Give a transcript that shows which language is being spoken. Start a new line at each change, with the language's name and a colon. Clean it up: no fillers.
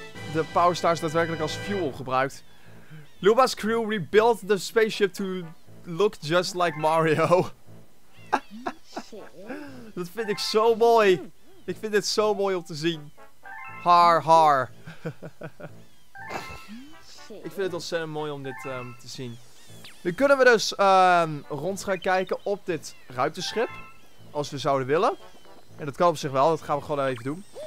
Dutch: de Power Stars daadwerkelijk als fuel gebruikt.
English: Luba's crew rebuilt the spaceship to look just like Mario.
Dutch: Dat vind ik zo mooi. Ik vind dit zo mooi om te zien. Har har. Ik vind het ontzettend mooi om dit te zien. Nu kunnen we dus rond gaan kijken op dit ruimteschip. Als we zouden willen. En dat kan op zich wel. Dat gaan we gewoon even doen.